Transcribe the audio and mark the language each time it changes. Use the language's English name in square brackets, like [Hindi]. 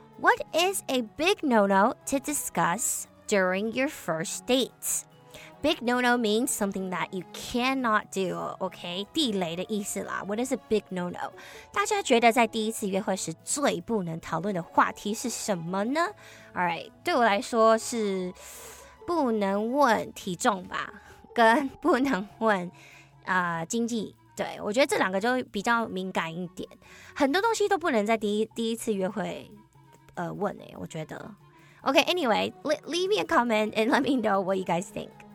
[English] What is a big no-no to discuss during your first date? Big no-no means something that you cannot do, okay? [Chinese] 地雷的意思啦。 [English] What is a big no-no? [Chinese] 大家觉得在第一次约会时最不能讨论的话题是什么呢？ Alright, 对我来说是不能问体重吧，跟不能问经济。对，我觉得这两个就比较敏感一点。很多东西都不能在第一次约会问诶，我觉得。 [English] Okay, anyway, leave me a comment and let me know what you guys think.